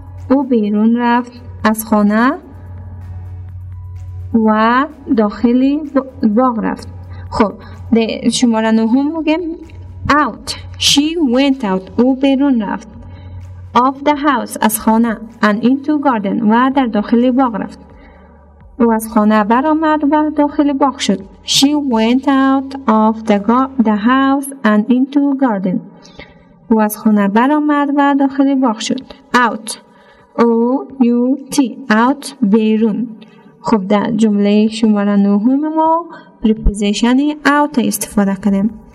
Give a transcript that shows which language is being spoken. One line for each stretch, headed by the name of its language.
Persian: او بیرون رفت از خانه و داخل باغ رفت. خب شماره نهم میگم out.
English: She went out.
Persian: او بیرون رفت.
English: Of the house.
Persian: از خانه.
English: And into garden.
Persian: و در داخل باغ رفت. او از خانه برآمد و داخل باغ شد.
English: She went out of the house and into garden.
Persian: او از خانه برآمد و داخل باغ شد.
English: Out. O-U-T. Out.
Persian: بیرون. خب در جمله شماره نهم ما پریپوزیشن out استفاده کردیم.